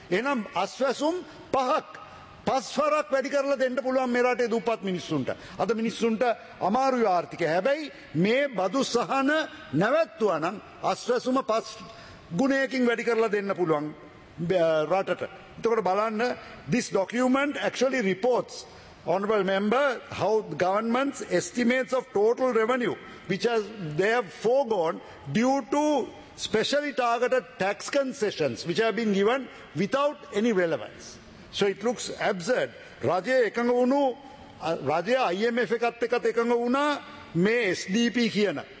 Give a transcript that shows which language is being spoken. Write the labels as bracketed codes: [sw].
[si] එනම් අස්වැසුම් 5ක් 5වරක් වැඩි කරලා දෙන්න පුළුවන් මේ රටේ දුප්පත් මිනිස්සුන්ට. අද මිනිස්සුන්ට අමාරුයි ආර්ථිකය. හැබැයි මේ බදු සහන නැවැත්තුවා නම් අස්වැසුම 5 ගුණයකින් වැඩි කරලා දෙන්න පුළුවන් රටට. එතකොට බලන්න [en] this document actually reports honorable member how government's estimates of total revenue which has they have foregone due to specially targeted tax concessions which have been given without any relevance. So it looks absurd. [si] රජය එකඟ වුණු රජය IMF එකත් එක්කත් එකඟ වුණා මේ SDP කියන.